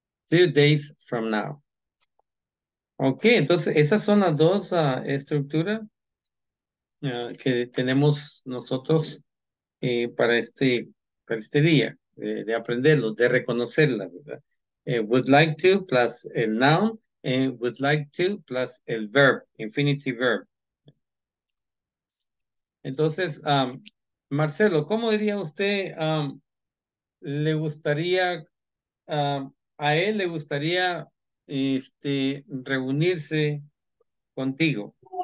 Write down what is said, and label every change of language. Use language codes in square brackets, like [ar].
[en] 2 days from now. [es] Ok, entonces esas son las dos estructuras que tenemos nosotros para este día, de aprenderlo, de reconocerla, ¿verdad? [en] Would like to plus el noun and would like to plus el verb, infinitive verb. [es] Entonces, Marcelo, ¿cómo diría usted le gustaría, a él le gustaría reunirse contigo?